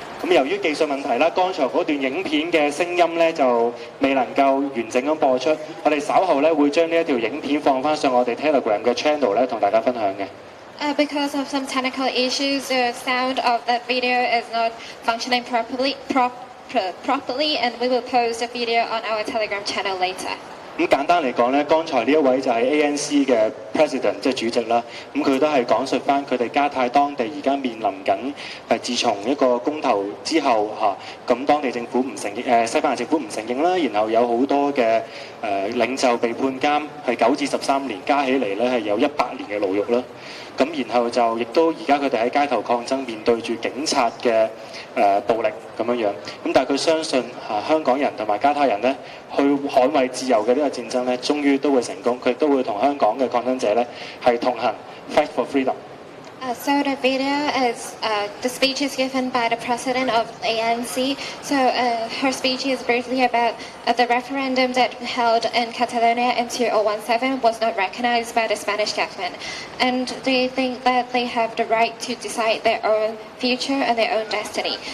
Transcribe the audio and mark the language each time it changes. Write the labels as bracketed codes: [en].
[yue] 由於技術問題，剛才那段影片的聲音就未能夠完整地播出，我們稍後會將這條影片放上我們 Telegram 的 channel 和大家分享的。 [en] Because of some technical issues, the sound of that video is not functioning properly, and we will post the video on our Telegram channel later. [yue] 簡單來說，剛才這位就是 ANC 的 President 即主席，他也是講述他們加泰當地現在面臨緊，自從一個公投之後，當地政府不承認，西班牙政府不承認，然後有很多的領袖被判監，是9至13年，加起來是有100年的牢獄，然後就亦都現在他們在街頭抗爭，面對著警察的暴力樣，但他相信香港人和加泰人呢去捍衛自由的這個戰爭呢終於都會成功，他都會跟香港的抗爭者呢是同行 [en] Fight for Freedom。 So the video is the speech is given by the president of ANC. So her speech is briefly about the referendum that held in Catalonia in 2017 was not recognized by the Spanish government. And they think that they have the right to decide their own future and their own destiny.